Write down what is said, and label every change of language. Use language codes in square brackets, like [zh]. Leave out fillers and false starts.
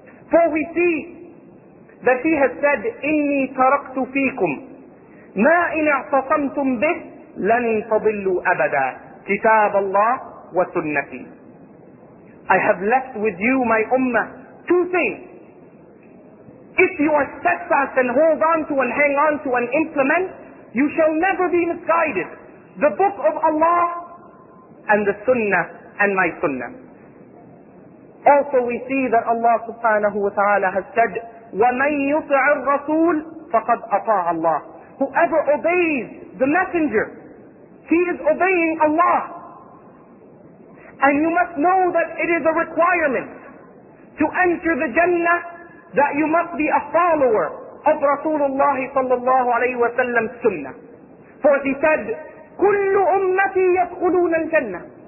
[en] For we see that he has said, [ar] إِنِّي تَرَكْتُ فِيكُمْ مَا إِنْ اَعْتَصَمْتُمْ بِهِ لَنْ تَضِلُّوا أَبَدًا كِتَابَ اللَّهِ وَسُنَّتِي. [en] I have left with you, my ummah, two things. If you are steadfast and hold on to and hang on to and implement, you shall never be misguided. The book of Allah and the sunnah and my sunnah. Also we see that Allah subhanahu wa ta'ala has said, [ar] وَمَنْ يُطِعِ الرَّسُولِ فَقَدْ أَطَاعَ اللَّهِ. [en] Whoever obeys the messenger, he is obeying Allah. And you must know that it is a requirement to enter the Jannah that you must be a follower of Rasulullah sallallahu alayhi wa sallam's sunnah. For he said, [ar] كُلُّ أُمَّتِي يَدْخُلُونَ الْجَنَّةِ.